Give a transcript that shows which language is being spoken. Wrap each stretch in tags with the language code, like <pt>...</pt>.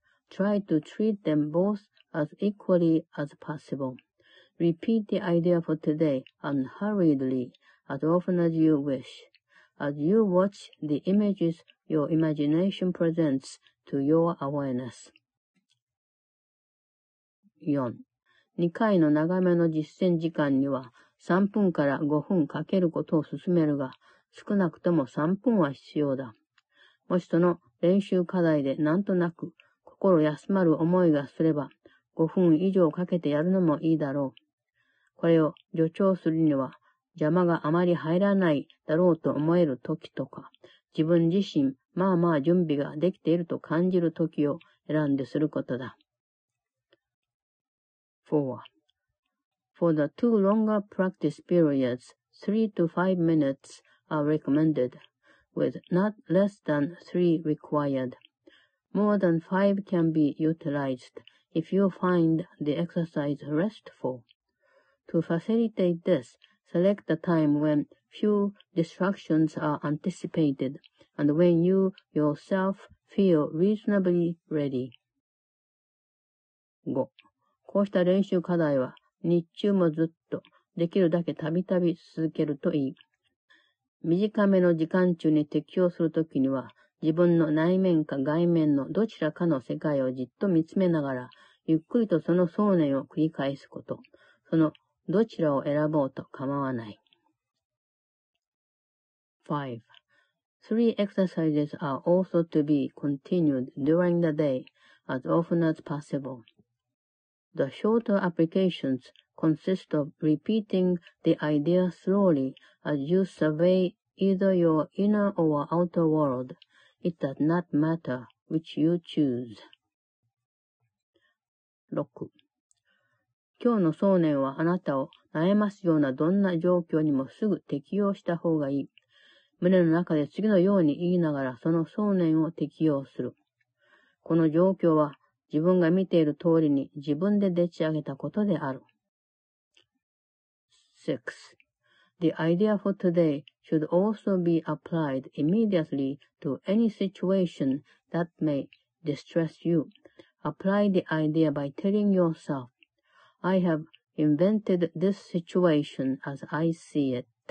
<en>Try to treat them both as equally as possible. Repeat the idea for today unhurriedly as often as you wish, as you watch the images your imagination presents to your awareness.</en> <ja>4.2回の長めの実践時間には、 3分から5分かけることを勧めるが、少なくとも3分は必要だ。もしその練習課題でなんとなく心休まる思いがすれば、5分以上かけてやるのもいいだろう。これを助長するには、邪魔があまり入らないだろうと思える時とか、自分自身まあまあ準備ができていると感じる時を選んですることだ。</ja> <en>For the two longer practice periods, 3 to 5 minutes are recommended, with not less than 3 required. More than 5 can be utilized if you find the exercise restful. To facilitate this, select a time when few distractions are anticipated and when you yourself feel reasonably ready. 5.</en> <ja>こうした練習課題は日中もずっとできるだけたびたび続けるといい。短めの時間中に適応するときには、自分の内面か外面のどちらかの世界をじっと見つめながら、ゆっくりとその想念を繰り返すこと、そのどちらを選ぼうと構わない。 5.</ja> <en>3 exercises are also to be continued during the day as often as possible. The shorter applications consist of repeating the idea slowly as you survey either your inner or outer world. It does not matter which you choose. 6.</en> <ja>今日の想念はあなたを悩ますようなどんな状況にもすぐ適用した方がいい。胸の中で次のように言いながらその想念を適用する。この状況は自分が見ている通りに自分ででち上げたことである。 6.</ja> <en>The idea for today should also be applied immediately to any situation that may distress you. Apply the idea by telling yourself, I have invented this situation as I see it.</en>